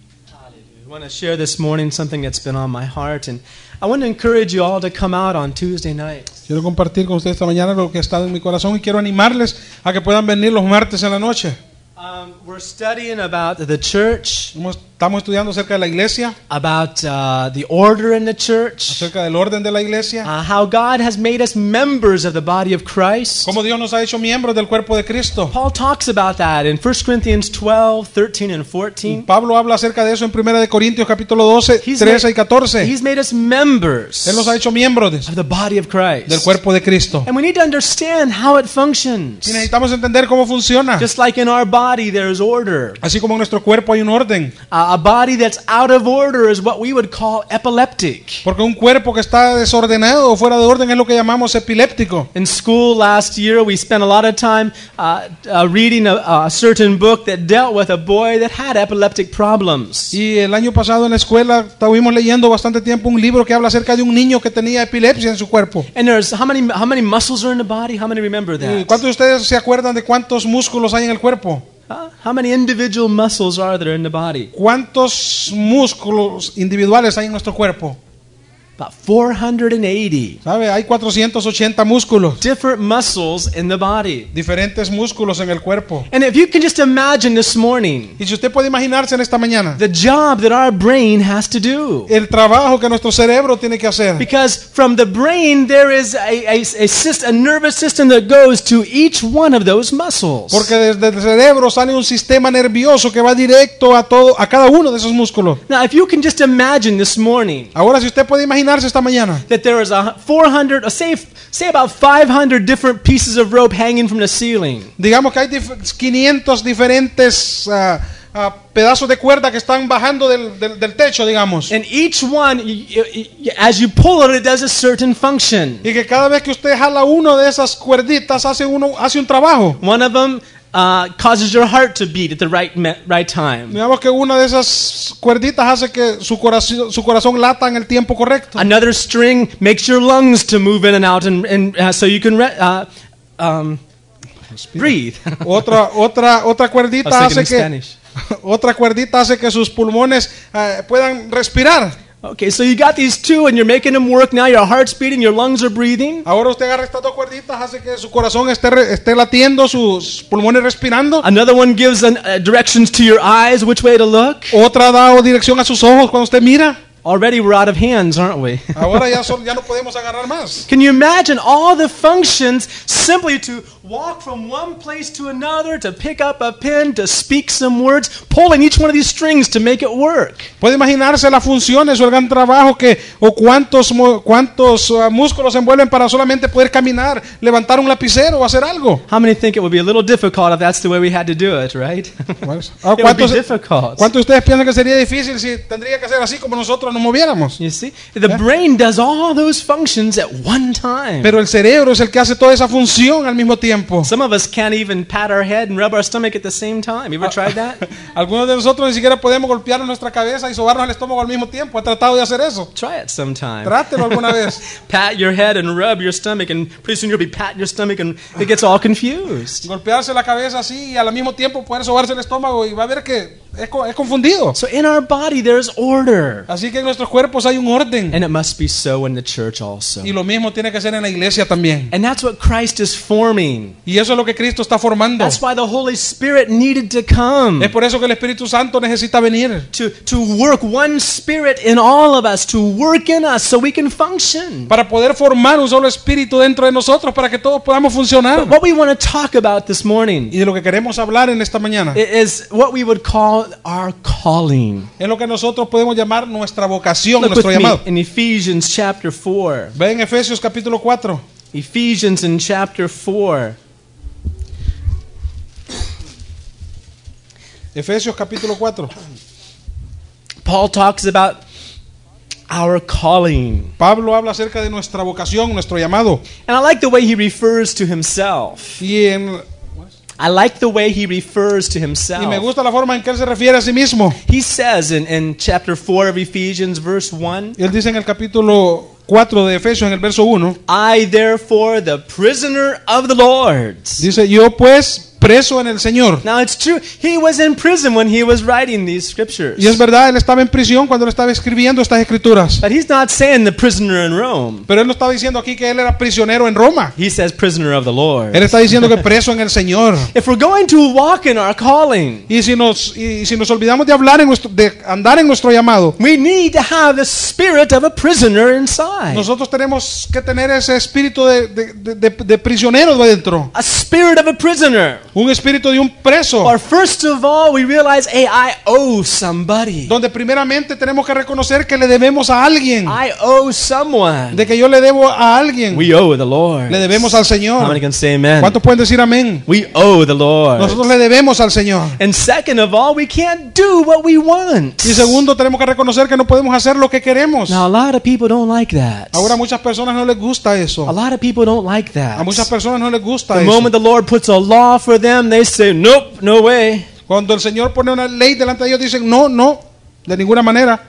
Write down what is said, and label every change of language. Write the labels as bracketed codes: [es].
[en] I want to share this morning something that's been on my heart, and I want to encourage you all to come out on Tuesday night. [es] Quiero compartir con ustedes esta mañana lo que ha estado en mi corazón y quiero animarles a que puedan venir los martes en la noche. [en] We're studying about the church. [es] Estamos estudiando acerca de la iglesia. [en] About the order in the church. [es] Acerca del orden de la iglesia. [en] How God has made us members of the body of Christ. [es] Cómo Dios nos ha hecho miembros del cuerpo de Cristo. [en] Paul talks about that in 1 Corinthians 12, 13 and 14. [es] Pablo habla acerca de eso en 1 de Corintios capítulo 12, 13 y 14. [en] He's made us members. [es] Él nos ha hecho miembros [en] of the body of Christ. [es] Del cuerpo de Cristo. [en] And we need to understand how it functions. [es] Y necesitamos entender cómo funciona. [en] Just like in our body there is order. [es] Así como en nuestro cuerpo hay un orden. [en] A body that's out of order is what we would call epileptic. [es] Porque un cuerpo que está desordenado o fuera de orden es lo que llamamos epiléptico. [en] In school last year, we spent a lot of time reading a certain book that dealt with a boy that had epileptic problems. [es] Y el año pasado en la escuela estuvimos leyendo bastante tiempo un libro que habla acerca de un niño que tenía epilepsia en su cuerpo. [en] And there's how many muscles are in the body? How many remember that? [es] ¿Cuántos de ustedes se acuerdan de cuántos músculos hay en el cuerpo? [en] How many individual muscles are there in the body? [es] ¿Cuántos músculos individuales hay en nuestro cuerpo? [en] About 480. [es] ¿Sabe? Hay 480 músculos. [en] Different muscles in the body. [es] Diferentes músculos en el cuerpo. [en] And if you can just imagine this morning. [es] Y si usted puede imaginarse en esta mañana. [en] The job that our brain has to do. [es] El trabajo que nuestro cerebro tiene que hacer. [en] Because from the brain there is a nervous system that goes to each one of those muscles. [es] Porque desde el cerebro sale un sistema nervioso que va directo a cada uno de esos músculos. [en] Now if you can just imagine this morning. [es] Ahora si usted puede imaginarse esta mañana. [en] That there is a 400, say about 500 different pieces of rope hanging from the ceiling. [es] Digamos que hay 500 diferentes pedazos de cuerda que están bajando del techo, digamos. [en] And each one, as you pull it, it does a certain function. [es] Y que cada vez que usted jala uno de esas cuerditas hace un trabajo. [en] One of them causes your heart to beat at the right time. [es] Digamos que una de esas cuerditas hace que su corazón lata en el tiempo correcto. [en] Another string makes your lungs to move in and out so you can breathe. [es] otra cuerdita hace que otra cuerdita hace que sus pulmones puedan respirar. [en] Okay, so you got these two and you're making them work now. Your heart's beating, your lungs are breathing. [es] Ahora usted agarra estas dos cuerditas, hace que su corazón esté latiendo, sus pulmones respirando. [en] Another one gives directions to your eyes, which way to look. [es] Otra da dirección a sus ojos cuando usted mira. [en] Already we're out of hands, aren't we? [es] Ahora ya no podemos agarrar más. [en] Can you imagine all the functions simply to walk from one place to another, to pick up a pen, to speak some words, pulling each one of these strings to make it work? [es] ¿Puede imaginarse las funciones o el gran trabajo que o cuántos músculos se envuelven para solamente poder caminar, levantar un lapicero o hacer algo? [en] How many think it would be a little difficult if that's the way we had to do it, right? It would be difficult. [es] ¿Cuántos ustedes piensan que sería difícil si tendría que hacer así como nosotros nos moviéramos? [en] You see, the brain does all those functions at one time. [es] Pero el cerebro es el que hace toda esa función al mismo tiempo. [en] Some of us can't even pat our head and rub our stomach at the same time. You ever tried that? [es] Algunos de nosotros ni siquiera podemos golpear nuestra cabeza y sobarnos el estómago al mismo tiempo. He tratado de hacer eso. [en] Try it sometime. [es] Trátelo alguna vez. [en] Pat your head and rub your stomach, and pretty soon you'll be patting your stomach, and it gets all confused. [es] Golpearse la cabeza así y al mismo tiempo poder sobarse el estómago y va a ver que es confundido. [en] So in our body there's order. [es] Así que en nuestros cuerpos hay un orden. [en] And it must be so in the church also. [es] Y lo mismo tiene que ser en la iglesia también. [en] And that's what Christ is forming. [es] Y eso es lo que Cristo está formando. [en] That's why the Holy Spirit needed to come. [es] Es por eso que el Espíritu Santo necesita venir. [en] To work one spirit in all of us, to work in us so we can function. [es] Para poder formar un solo espíritu dentro de nosotros para que todos podamos funcionar. [en] But what we want to talk about this morning. [es] Y de lo que queremos hablar en esta mañana. [en] Is what we would call our calling. [es] Es lo que nosotros podemos llamar nuestra vocación, [en] Look [es] nuestro [en] with [es] llamado. [en] Me in Ephesians chapter 4. [es] Ve en Efesios capítulo 4. [en] Ephesians in chapter 4. [es] Efesios capítulo 4. [en] Paul talks about our calling. [es] Pablo habla acerca de nuestra vocación, nuestro llamado. [en] And I like the way he refers to himself. I like the way he refers to himself. [es] Y me gusta la forma en que él se refiere a sí mismo. [en] He says in chapter 4 of Ephesians verse 1. [es] Él dice en el capítulo 4 de Efesios en el verso 1. [en] I therefore the prisoner of the Lord. [es] Dice, yo pues preso en el Señor. [en] Now it's true, he was in prison when he was writing these scriptures. [es] Y es verdad, él estaba en prisión cuando él estaba escribiendo estas escrituras. [en] But he's not saying the prisoner in Rome. [es] Pero él no estaba diciendo aquí que él era prisionero en Roma. [en] He says prisoner of the Lord. [es] Él está diciendo que preso en el Señor. [en] If we're going to walk in our calling, [es] y si nos olvidamos de hablar en nuestro, de andar en nuestro llamado, [en] we need to have the spirit of a prisoner inside. [es] Nosotros tenemos que tener ese espíritu de prisionero dentro. [en] A spirit of a prisoner. [es] Un espíritu de un preso. [en] Or first of all, we realize, hey, I owe somebody. [es] Donde primeramente tenemos que reconocer que le debemos a alguien. [en] I owe someone. [es] De que yo le debo a alguien. [en] We owe the Lord. [es] Le debemos al Señor. [en] How many can say amen? [es] ¿Cuántos pueden decir amén? [en] We owe the Lord. [es] Nosotros le debemos al Señor. [en] And second of all, we can't do what we want. [es] Y segundo, tenemos que reconocer que no podemos hacer lo que queremos. [en] Now, a lot of people don't like that. [es] Ahora muchas personas no les gusta eso. [en] A lot of people don't like that. [es] A muchas personas no les gusta [en] the [es] eso. [en] The moment the Lord puts a law for them, they say, nope, no way. [es] Cuando el Señor pone una ley delante de ellos, dicen, no, no, de ninguna manera.